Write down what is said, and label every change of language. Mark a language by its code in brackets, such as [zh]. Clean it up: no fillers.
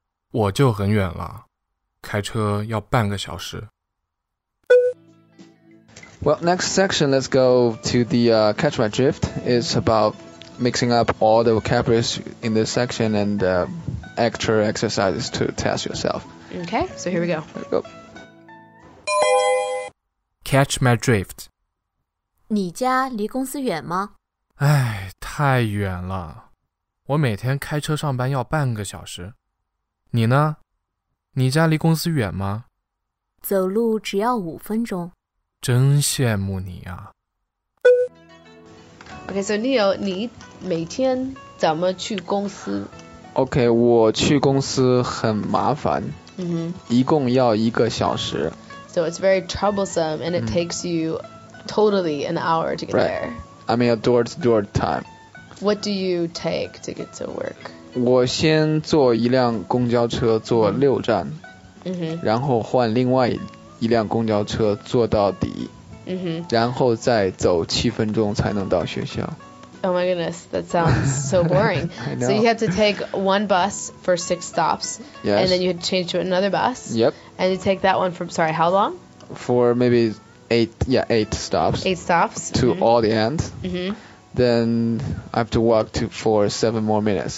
[zh] 我就很远了，开车要半个小时。 [en] Well, next section, let's go to the catch my drift. It's about mixing up all the vocabularies in this section and extra exercises to test yourself. Okay, so here we go. Here we go. Catch my drift. [zh] 你家离公司远吗？哎，太远了。我每天开车上班要半个小时。你呢？你家离公司远吗？走路只要五分钟。真羡慕你啊。 [en] Okay, so [zh] Neil, 你每天怎么去公司？ Okay, 我去公司很麻烦。 Mm-hmm. 一共要一个小时。 [en] So it's very troublesome, and it takes you totally an hour to get right. there. I mean, a door-to-door time. What do you take to get to work? [zh] 我先坐一辆公交车坐六站，然后换另外一辆公交车坐到底，然后再走七分钟才能到学校。 [en] Oh my goodness, that sounds so boring. So you have to take one bus for 6 stops, yes. and then you have to change to another bus. Yep. And you take that one how long? For maybe 8 stops. 8 stops. To all the end. Mm-hmm. Then I have to walk for 7 more minutes